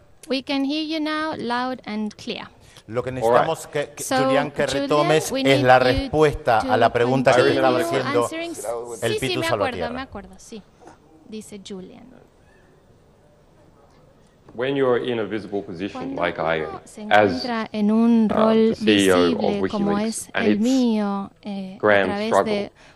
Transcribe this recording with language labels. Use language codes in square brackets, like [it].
[en] We can hear you now loud and clear. [es] Lo que necesitamos que Julián que retomes es la respuesta a la pregunta que te estaba haciendo el Pitu Salvatierra. Sí, me acuerdo, sí. Dice Julián. [en] When you're in a visible position, like I am, as the CEO of WikiLeaks and its grand struggle